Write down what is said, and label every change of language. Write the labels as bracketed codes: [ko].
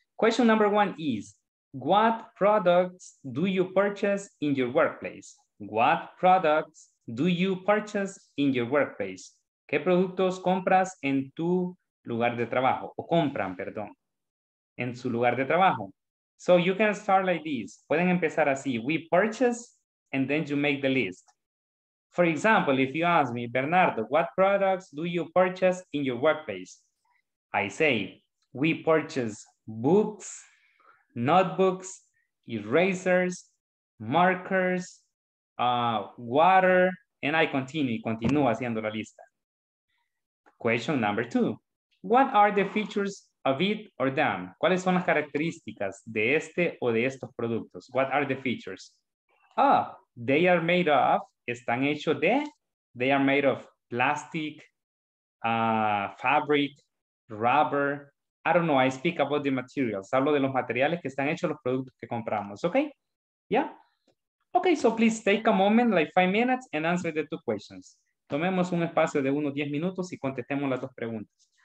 [en] Question number one is, what products do you purchase in your workplace? What products do you purchase in your workplace? [es] ¿Qué productos compras en tu lugar de trabajo? O compran, perdón, en su lugar de trabajo. [en] So you can start like this. [es] Pueden empezar así. [en] We purchase and then you make the list. For example, if you ask me, Bernardo, what products do you purchase in your workplace? I say, we purchase books, notebooks, erasers, markers, water, and I continue. [es] Continúo haciendo la lista. [en] Question number two. What are the features of it or them? [es] ¿Cuáles son las características de este o de estos productos? [en] What are the features? Ah, they are made of, [es] están hechos de, [en] they are made of plastic, fabric, rubber. I don't know, I speak about the materials. [es] Hablo de los materiales que están hechos, los productos que compramos, okay? [en] Yeah? Okay, so please take a moment, like 5 minutes, and answer the two questions. [es] Tomemos un espacio de unos 10 minutos y contestemos las dos preguntas.